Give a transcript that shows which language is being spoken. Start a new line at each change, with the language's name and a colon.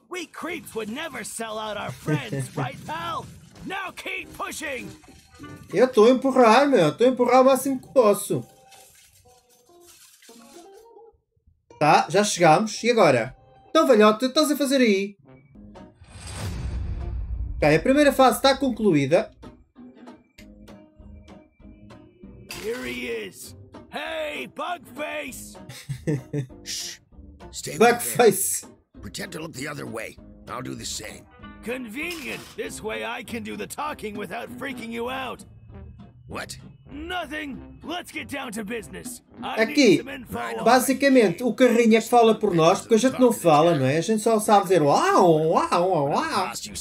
English: We creeps would never sell out our friends, right, pal? Now keep pushing!
Portuguese: Eu tô a empurrar, meu. Eu tô a empurrar o máximo que posso. Tá, já chegamos. E agora? Então, velhote, o que estás a fazer aí? Ok, a primeira fase está concluída.
English: Here he is. Hey, Bugface! Stay Bugface! Pretend to look the other way. I'll do the same. Convenient. This way I can do the talking without freaking you out. What? Nothing. Let's get down to business.
Portuguese: Aqui, basicamente, o carrinho é que fala por nós, porque a gente não fala, não é? A gente só sabe dizer uau, uau, uau, uau.